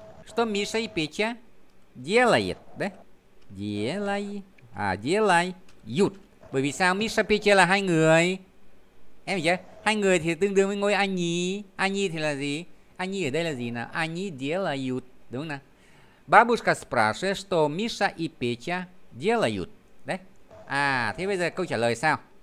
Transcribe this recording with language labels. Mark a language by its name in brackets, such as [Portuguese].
[Russian] что Миша и Петя делает, да? Делай, а делай, ют. [Vietnamese] Bởi vì sao Миша и Петя là hai người? Em hiểu chưa? Hai người thì tương đương với ngôi anh nhì. Anh nhì thì là gì? Anh nhì ở đây là gì nào? Anh nhì делают, đúng không nào? [Russian] Бабушка спрашивает, что Миша и Петя делают, да? [Vietnamese] À, thế bây giờ câu trả lời sao?